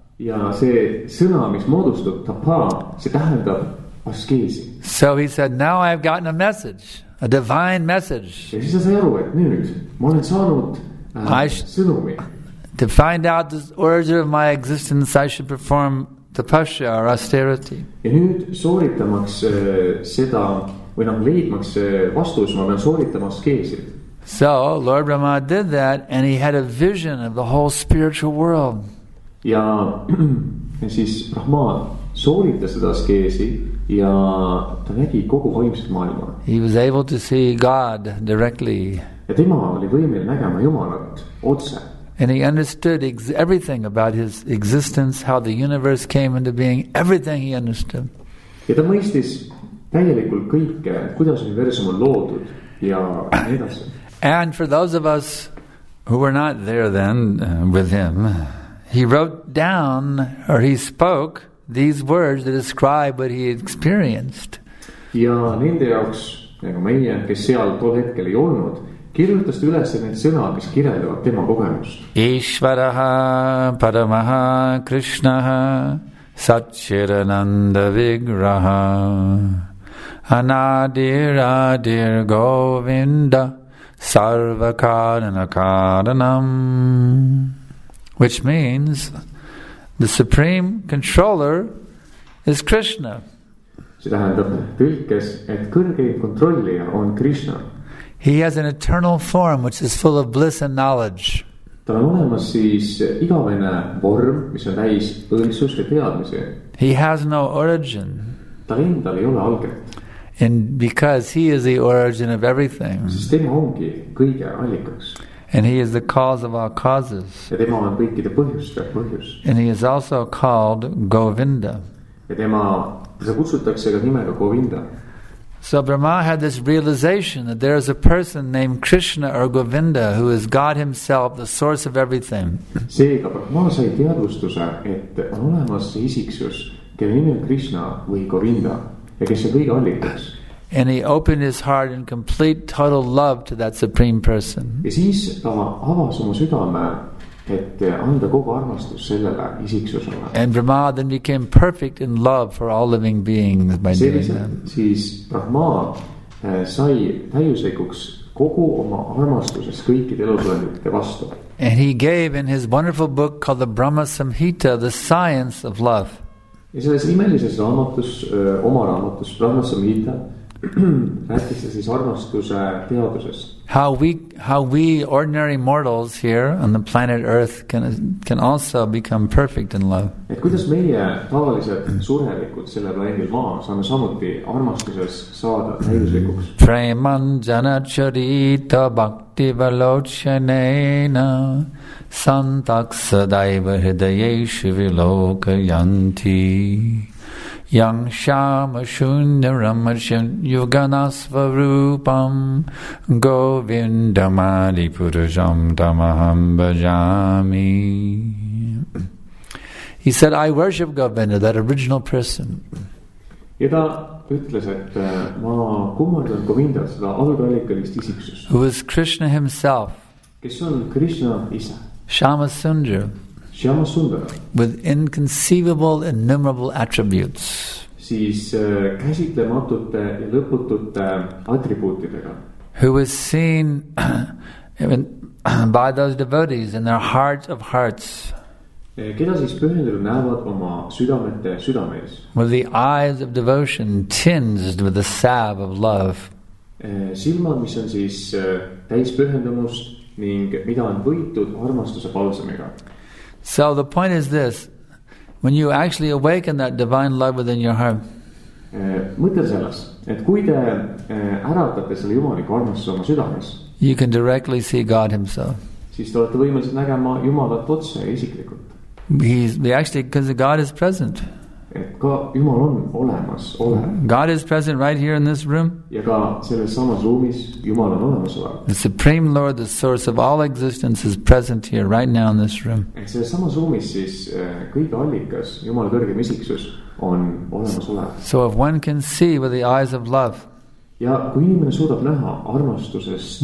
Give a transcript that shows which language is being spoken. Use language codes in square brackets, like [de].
[et] Ja see sõna, mis moodustub tapa, see tähendab askeesi. [en] So he said, now I've gotten a message, a divine message. [et] Ja siis ta sai aru, et nüüd ma olen saanud sõnumi. [en] To find out the origin of my existence, I should perform tapasya or austerity. [et] Ja nüüd sooritamaks seda, või nagu leidmaks vastus, ma pean sooritama askeesi. [en] So, Lord Brahma did that, and he had a vision of the whole spiritual world. [et] Ja siis Brahma soorita seda askeesi ja ta nägi kogu vaimset maailma. [en] He was able to see God directly. [et] Ja tema oli võimel nägema Jumalat otse. [en] And he understood everything about his existence, how the universe came into being, everything he understood. [et] Ja ta mõistis täielikult kõike, kuidas universum on loodud ja edasi. [en] And for those of us who were not there then with him, he wrote down, or he spoke, these words that describe what he experienced. [et] Ja nende jaoks, nagu meie, kes seal tol hetkel ei olnud, kirjutas üles need sõnad, mis kirjeldavad tema kogemust. [sa] Ishvaraha paramaha krishnaha satchirananda vigraha anadir adir govinda sarva karana karanam, [en] which means the supreme controller is Krishna. [et] See, tähendab tõlkes, et kõrgeim kontrollija on Krishna. [en] He has an eternal form which is full of bliss and knowledge. [et] Tal on olemas siis igavene vorm, mis on täis õilsust ja teadmise. [en] He has no origin. [et] Tal endal ei ole alget. [en] And because he is the origin of everything. [et] Sest tema ongi kõige allikaks. [en] And he is the cause of all causes. [et] Ja tema on kõikide põhjuste põhjus. [en] And he is also called Govinda. [et] Ja tema, see kutsutakse ka nimega Govinda. [en] So Brahma had this realization that there is a person named Krishna or Govinda who is God himself, the source of everything. [et] Seega Brahma sai teadvustuse, et on olemas isiksus, kelle nimi on Krishna või Govinda ja kes on kõige allikas. [en] And he opened his heart in complete total love to that supreme person. [et] Ja siis ta avas oma südame, et anda kogu armastus sellele isiksusele. [en] And Brahma then became perfect in love for all living beings by doing that. [et] Siis Brahma sai täiuslikuks kogu oma armastuses kõikide elusolendite vastu. [en] And he gave in his wonderful book called the Brahma Samhita the science of love. [et] Ja selles imelises raamatus, oma raamatus Brahma Samhita rääkis see siis armastuse teaduses. [en] How we ordinary mortals here on the planet Earth can also become perfect in love. [et] Et kuidas meie tavalised surelikud selle planeedil maa saame samuti armastuses saada täiuslikuks. [sa] Premanjana charita bhakti valochanena santaksadaiva hridayeshu vilokayanti Yang shama shunyaram yuganasvarupam govindamadi purusham tamaham bhajami. [en] He said, I worship Govinda, that original person. [et] Ida ütles, et ma kummardan Govinda, seda algallikalist isiksust. [en] Who is Krishna himself. [et] Kes on Krishna ise. [sa] Shama Sundar. Shama Sundar. [en] With inconceivable, innumerable attributes. [et] Siis käsitlematute ja lõputute attribuutidega. [en] Who was seen by those devotees in their heart of hearts. [et] Keda siis pühendatud näevad oma südamete südames. [en] With the eyes of devotion tinged with the salve of love. [et] Silmad, mis on siis täis pühendumust ning mida on võitud armastuse palsamiga. [en] So the point is this. When you actually awaken that divine love within your heart. [et] Mõtle selles, et kui te äratate selle jumaliku armastuse oma südames. [en] You can directly see God himself. [et] Siis te olete võimelised nägema Jumalat otse isiklikult. [en] Because God is present. [et] Et ka Jumal on olemas, ole. [en] God is present right here in this room. [et] Ja ka selles samas ruumis Jumal on olemas olemas. [en] The Supreme Lord, the source of all existence, is present here right now in this room. [et] Et selles samas ruumis siis kõige allikas, Jumal kõrgem isiksus, on olemas olemas. [en] So if one can see with the eyes of love, [et] ja kui inimene suudab näha armastuses,